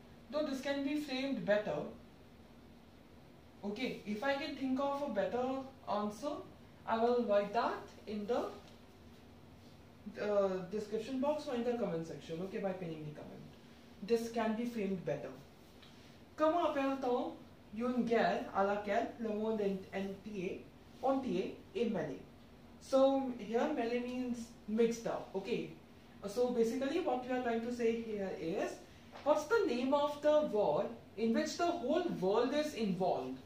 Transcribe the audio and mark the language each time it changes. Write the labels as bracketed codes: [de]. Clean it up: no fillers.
[en] Though this can be framed better. Okay, if I can think of a better answer, I will write that in the description box or in the comment section. Okay, by pinning the comment. This can be framed better. [fr] Comment appelle-t-on une guerre à laquelle le monde entier est mêlé? [en] So here mêlé means mixed up. Okay. So basically what we are trying to say here is, what's the name of the war in which the whole world is involved?